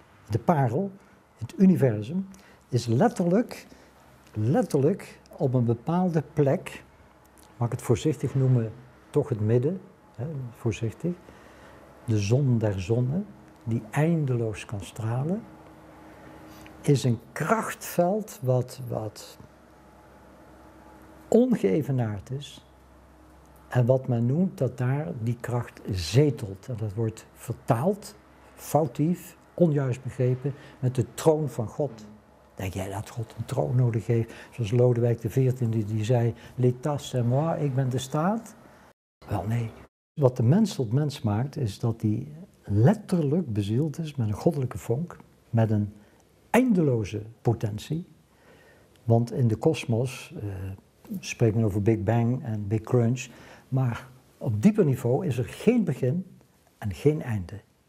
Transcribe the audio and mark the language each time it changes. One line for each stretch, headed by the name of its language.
Dutch: De parel, het universum, is letterlijk op een bepaalde plek, mag ik het voorzichtig noemen, toch het midden, hè, voorzichtig, de zon der zonnen, die eindeloos kan stralen, is een krachtveld wat ongeëvenaard is en wat men noemt dat daar die kracht zetelt. En dat wordt vertaald, foutief, onjuist begrepen, met de troon van God. Denk jij dat God een troon nodig heeft? Zoals Lodewijk de 14e die zei,
French: l'état c'est moi,
Dutch: ik ben de staat. Wel nee. Wat de mens tot mens maakt, is dat hij letterlijk bezield is met een goddelijke vonk, met een eindeloze potentie. Want in de kosmos spreekt men over Big Bang en Big Crunch, maar op dieper niveau is er geen begin en geen einde.